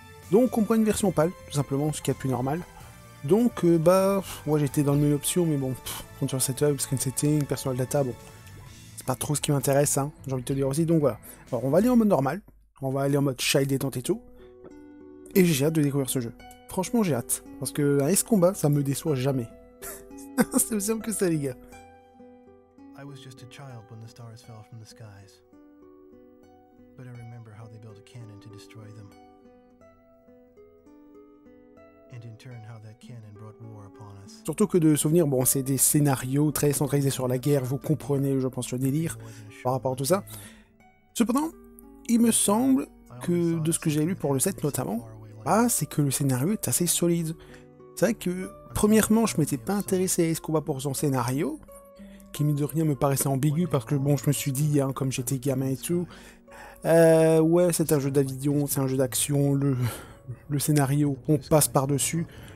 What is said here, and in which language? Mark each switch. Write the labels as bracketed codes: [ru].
[fr] Donc, on prend une version PAL, tout simplement, ce qui est plus normal. Donc, ouais, j'étais dans le menu option, mais bon, Control Setup, Screen Setting, Personal Data, bon. Pas trop ce qui m'intéresse, hein, j'ai envie de te dire aussi, donc voilà. Alors on va aller en mode normal, on va aller en mode Shy détente et tout, et j'ai hâte de découvrir ce jeu. Franchement j'ai hâte, parce que un Ace Combat, ça me déçoit jamais. C'est aussi simple que ça les gars. [en] I was just a child when the stars fell from the skies. But I remember how they built a cannon to destroy them. And in turn how that cannon brought war upon us. [fr] Surtout que de souvenir, bon, c'est des scénarios très centralisés sur la guerre, vous comprenez, je pense, le délire par rapport à tout ça. Cependant, il me semble que, de ce que j'ai lu pour le 7 notamment, c'est que le scénario est assez solide. C'est vrai que, premièrement, je m'étais pas intéressé à Escobar pour son scénario, qui mine de rien me paraissait ambigu, parce que bon, je me suis dit, hein, comme j'étais gamin et tout, ouais, c'est un jeu d'avion, c'est un jeu d'action, le scénario, on passe par-dessus.